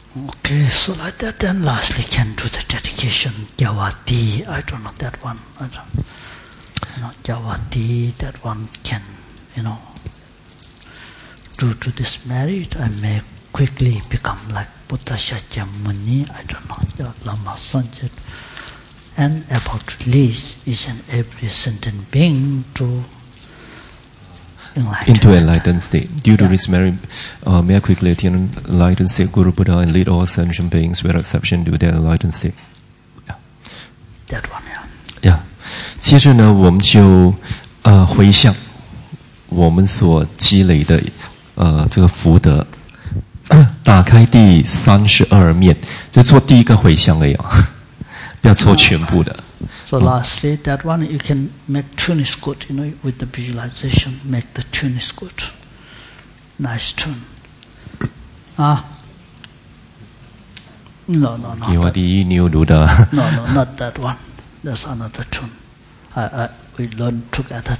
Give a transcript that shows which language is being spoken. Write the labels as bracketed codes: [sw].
[en] Okay, so like that, then lastly can do the dedication, Gyawati, I don't know that one, Gyawati, that one can, you know, due to this merit, I may quickly become like Buddha Shakyamuni, I don't know, Lama Sanjit, and about to lead each and every sentient being to... Into enlightened state. Due to this merit, may I quickly attain enlightened state, Guru Buddha, and lead all sentient beings without exception to their enlightened state. That one, yeah. Yeah. [zh] 接着呢，我们就回向我们所积累的这个福德，打开第三十二面，就做第一个回向而已，不要做全部的。 [en] So lastly, that one you can make tune is good, you know, with the visualization, make the tune is good. Nice tune. Ah? No, not that one. That's another tune. we learn together.